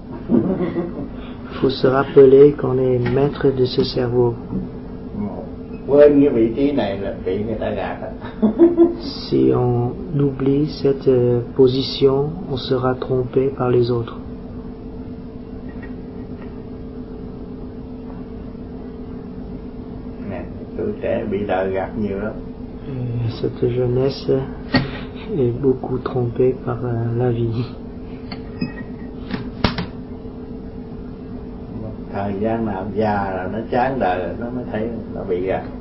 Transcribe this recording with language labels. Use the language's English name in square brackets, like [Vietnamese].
[French] Il faut se rappeler qu'on est maître de ce cerveau. [Vietnamese] Quên cái vị trí này là bị người ta gạt. [French] Si on oublie cette position, on sera trompé par les autres. [Vietnamese] Nè, tuổi trẻ bị đời gạt nhiều lắm. [French] Cette jeunesse est beaucoup trompée par la vie. [Vietnamese] Thời gian nào già là nó chán đời, nó mới thấy nó bị gạt.